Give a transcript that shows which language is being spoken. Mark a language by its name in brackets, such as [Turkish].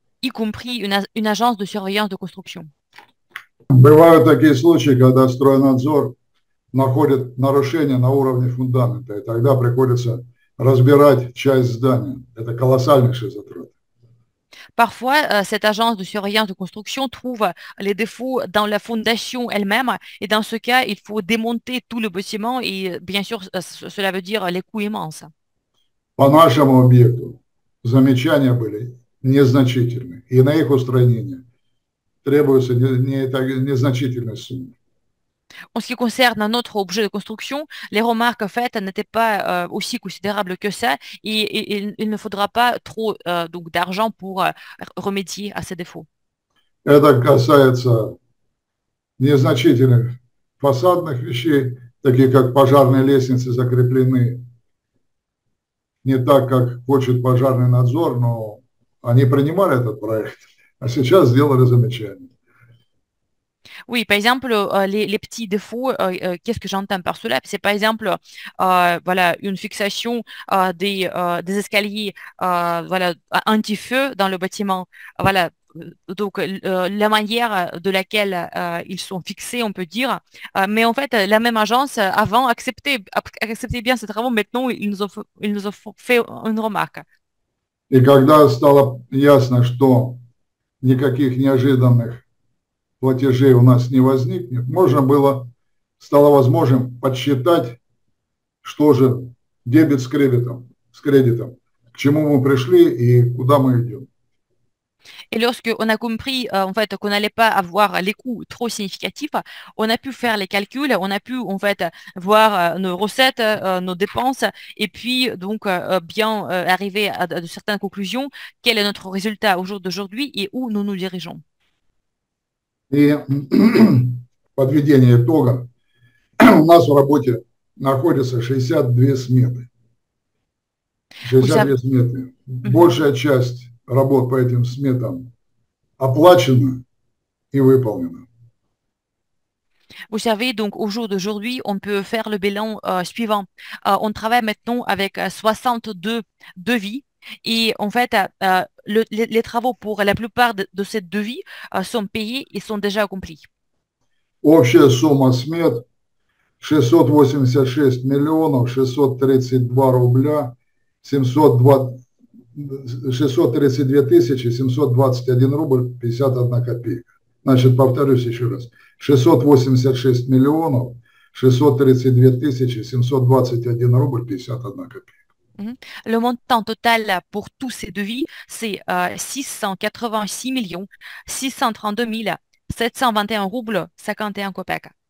[French] Y compris une agence de surveillance de construction. [Russian] Бывают такие случаи, когда стройнадзор находит нарушения на уровне фундамента, и тогда приходится разбирать часть здания. Это колоссальнейший затрат. [French] Parfois, cette agence de surveillance de construction trouve les défauts dans la fondation elle-même, et dans ce cas, il faut démonter tout le bâtiment, et bien sûr, cela veut dire les coûts immenses. [Russian] По нашему объекту замечания были незначительны, и на их устранение требуется незначительная сумма. [French] En ce qui concerne un autre objet de construction, les remarques faites n'étaient pas aussi considérables que ça, et il ne faudra pas trop donc d'argent pour remédier à ces défauts. [Russian] Это касается незначительных фасадных вещей, таких как пожарные лестницы закреплены не так, как хочет пожарный надзор, но они принимали этот проект, а сейчас сделали замечание. [French] Oui, par exemple, les petits défauts, qu'est-ce que j'entends par cela? C'est par exemple voilà, une fixation des escaliers voilà, anti-feu dans le bâtiment. Voilà, donc la manière de laquelle ils sont fixés, on peut dire. Mais en fait, la même agence, avant, acceptait bien ces travaux. Maintenant, ils nous ont fait une remarque. [Russian] И когда стало ясно, что никаких неожиданных платежей у нас не возникнет, стало возможным подсчитать, что же дебет с кредитом, к чему мы пришли и куда мы идем. [French] Et lorsque on a compris en fait qu'on n'allait pas avoir les coûts trop significatifs, on a pu faire les calculs, on a pu en fait voir nos recettes, nos dépenses, et puis donc bien arriver à de certaines conclusions, quel est notre résultat au jour d'aujourd'hui et où nous nous dirigeons. [Russian] И подведение итога. У нас в работе находится 62 сметы. [French] Vous savez. [Russian] 62 сметы. Большая часть работ по этим сметам оплачена и выполнена. [French] Vous savez, donc au jour d'aujourd'hui, on peut faire le bilan suivant. On travaille maintenant avec 62 devis. Et en fait, les travaux pour la plupart de ces devis sont payés et sont déjà accomplis. [Russian] Общая сумма смет 686 миллионов 632 рубля 720 632 тысячи 721 рубль 51 копейка. Значит, повторюсь еще раз. 686 миллионов 632 тысячи 721 рубль 51 копейка. [French] Le montant total pour tous ces devis, c'est 686 632 721 roubles 51 копеек.